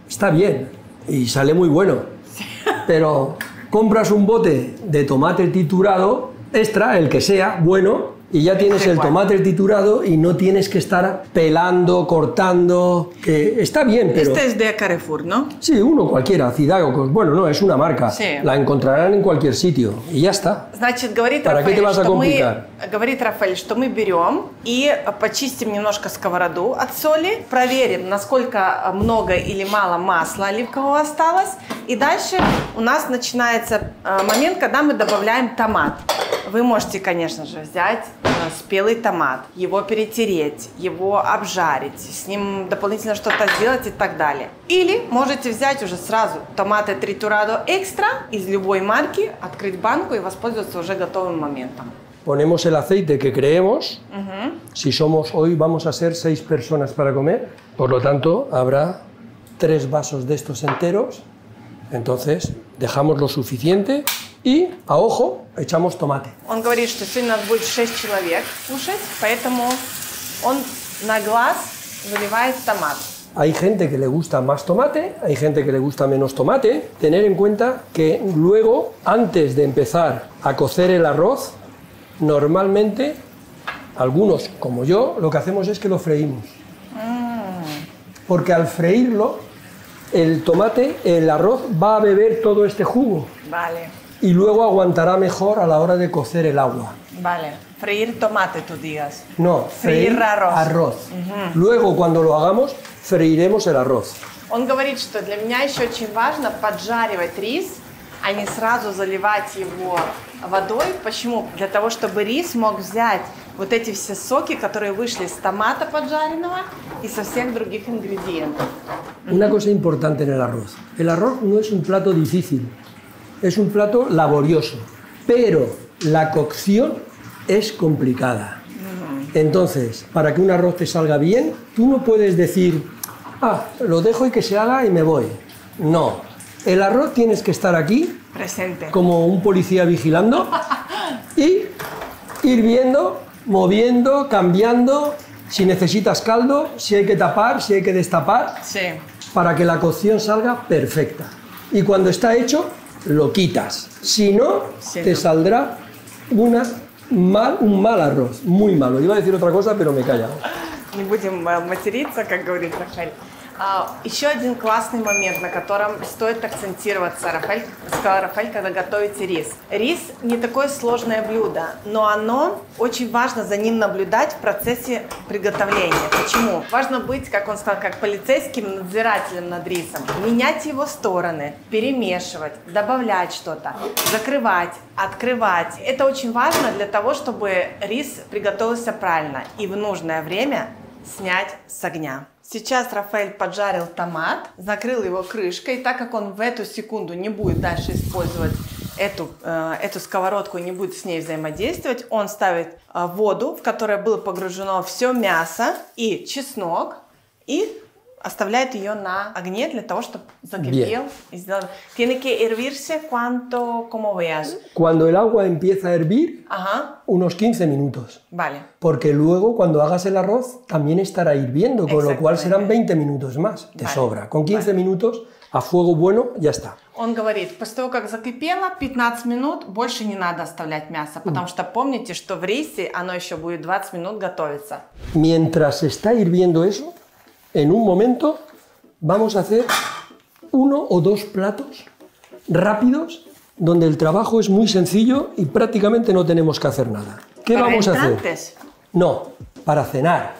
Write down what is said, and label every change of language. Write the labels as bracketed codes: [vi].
[es] Está bien y sale muy bueno. Pero compras un bote de tomate triturado, extra, el que sea, bueno, Y ya tienes el tomate triturado y no tienes que estar pelando, cortando, que está bien, pero... Este es de Carrefour, ¿no? Sí, uno cualquiera, Cidago, bueno, no, es una marca. Sí. La encontrarán en cualquier sitio y ya está. [ru] Значит, говорит [es] ¿Para Рафаэль, qué te vas a complicar? [ru] Говорит Рафаэль, что мы берем и почистим немножко сковороду от соли, проверим, насколько много или мало масла оливкового осталось. И дальше у нас начинается момент, когда мы добавляем томат. Вы можете, конечно же, взять спелый томат, его перетереть, его обжарить, с ним дополнительно что-то сделать и так далее. Или можете взять уже сразу томаты Triturado Extra из любой марки, открыть банку и воспользоваться уже готовым моментом. [es] Ponemos el aceite que creemos. Si somos hoy, vamos a ser 6 personas para comer. Por lo tanto, habrá 3 vasos de estos enteros. Entonces, dejamos lo suficiente y, a ojo, echamos tomate. [ru] Он говорит, что сегодня надо будет 6 человек кушать, поэтому он на глаз заливает томат. [es] Hay gente que le gusta más tomate, hay gente que le gusta menos tomate. Tener en cuenta que luego, antes de empezar a cocer el arroz, normalmente, algunos, como yo, lo que hacemos es que lo freímos. Porque al freírlo, el tomate, el arroz, va a beber todo este jugo. Vale. Y luego aguantará mejor a la hora de cocer el agua. Vale. Freír tomate, tú digas. No, freír arroz. Arroz. Luego, cuando lo hagamos, freiremos el arroz. [ru] Он говорит, что для меня еще очень важно поджаривать рис, а не сразу заливать его водой. Почему? Для того, чтобы рис мог взять вот эти все соки, которые вышли с томата поджаренного и со всех других ингредиентов. [es] Una cosa importante en el arroz. El arroz no es un plato difícil, es un plato laborioso, pero la cocción es complicada. Entonces, para que un arroz te salga bien, tú no puedes decir, ah, lo dejo y que se haga y me voy. No. El arroz tienes que estar aquí, presente, como un policía vigilando, y ir viendo, moviendo, cambiando, si necesitas caldo, si hay que tapar, si hay que destapar, sí, para que la cocción salga perfecta. Y cuando está hecho, lo quitas. Si no, sí, te no. saldrá una mal, un mal arroz, muy malo. Iba a decir otra cosa, pero me callo. No vamos a matarse, como dice Rafael. [ru] Еще один классный момент, на котором стоит акцентироваться, Рафаэль, сказал Рафаэль, когда готовите рис. Рис не такое сложное блюдо, но оно очень важно за ним наблюдать в процессе приготовления. Почему? Важно быть, как он сказал, как полицейским надзирателем над рисом. Менять его стороны, перемешивать, добавлять что-то, закрывать, открывать. Это очень важно для того, чтобы рис приготовился правильно и в нужное время снять с огня. Сейчас Рафаэль поджарил томат, закрыл его крышкой, так как он в эту секунду не будет дальше использовать эту сковородку и не будет с ней взаимодействовать, он ставит воду, в которой было погружено все мясо и чеснок, и оставляет ее на огне для того, чтобы закипел. [es] Tiene que hervirse cuanto, como veas. Cuando el agua empieza a hervir, ajá, unos 15 minutos. Vale. Porque luego, cuando hagas el arroz, también estará hirviendo, con lo cual serán 20 minutos más de vale. sobra. Con 15 vale. minutos, a fuego bueno, ya está. [ru] Он говорит, после того, как закипело, 15 минут, больше не надо оставлять мясо, потому что помните, что в рисе оно еще будет 20 минут готовиться. [es] Mientras está hirviendo eso, en un momento vamos a hacer uno o dos platos rápidos donde el trabajo es muy sencillo y prácticamente no tenemos que hacer nada. ¿Qué para vamos a hacer? Antes. No, para cenar.